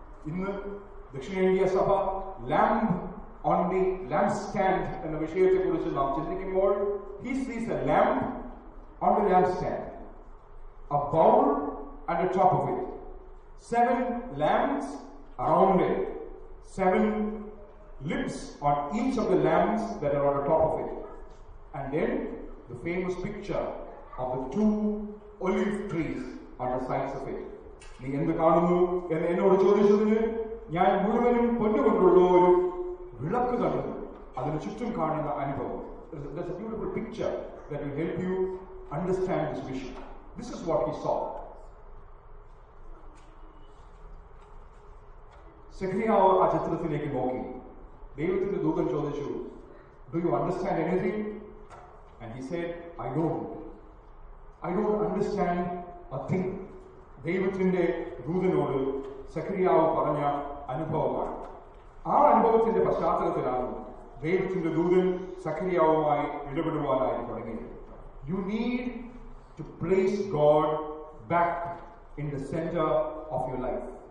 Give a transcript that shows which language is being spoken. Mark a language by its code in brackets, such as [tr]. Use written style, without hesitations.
[ml] ഇന്ന് ദക്ഷിണേന്ത്യ സഭ lamp on the lamp stand എന്ന വിഷയത്തെ കുറിച്ച് നാം ചിന്തിക്കുമ്പോൾ, [en] He sees a lamp on the lamp stand, a bowl and a top of it, 7 lamps around it, 7 lips on each of the lamps that are on the top of it, and then the famous picture of the 2 olive trees on the sides of it. [ml] നീ എന്ത് കാണുന്നു എന്ന് എന്നോട് ചോദിച്ചതിന് ഞാൻ മുഴുവനും പൊന്നുകൊണ്ടുള്ള ഒരു വിളക്ക് കണ്ടു, അതിൽ നമ്മുടെ ചുറ്റും കാണുന്ന അനുഭവം. [en] There's a beautiful picture that will help you understand this vision. This is what he saw. [ml] സെഖര്യാവ് ആ ചിത്രത്തിലേക്ക് നോക്കി ദൈവത്തിന്റെ ദൂതൻ ചോദിച്ചു, [en] Do you understand anything? And he said, I don't understand a thing. [ml] ദൈവത്തിന്റെ ദൂതനോട് സെഖര്യാവ് പറഞ്ഞ അനുഭവമാണ്. ആ അനുഭവത്തിന്റെ പശ്ചാത്തലത്തിലാണ് ദൈവത്തിന്റെ ദൂതൻ സെഖര്യാവുമായി ഇടപെടുവാനായി തുടങ്ങിയത്. [en] You need to place God back in the center of your life.